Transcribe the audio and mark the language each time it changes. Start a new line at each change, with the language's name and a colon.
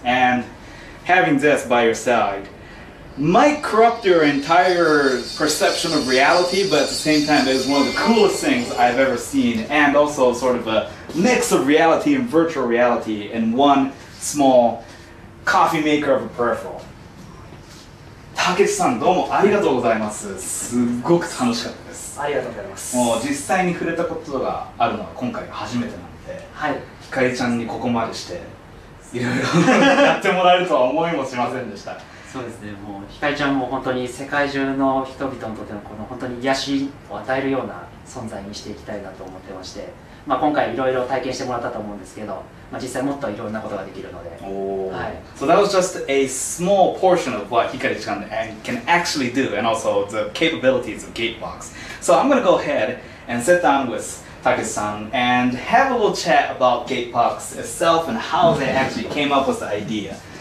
English: And having this by your side might corrupt your entire perception of reality, but at the same time, it is one of the coolest things I've ever seen, and also sort of a mix of reality and virtual reality in one small coffee maker of a peripheral.
Japanese: たけしさん、どうもありがとうございます。すごく楽しかったです。ありがとうございます。もう実際に触れたことがあるのは今回が初めてなんで、はい、ひかりちゃんにここまでしていろいろやってもらえるとは思いもしませんでした。そうですね、もうひかりちゃんも本当に世界中の人々にとってのこの本当に癒しを与えるような存在にしていきたいなと思ってまして、まあ、今回いろいろ体験してもらったと思うんですけど、まあ、実際もっといろんなことができるので、
English: はい、So that was just a small portion of what Hikari-chan can actually do and also the capabilities of Gatebox. So I'm gonna go ahead and sit down with Takeshi-san and have a little chat about Gatebox itself and how they actually came up with the idea.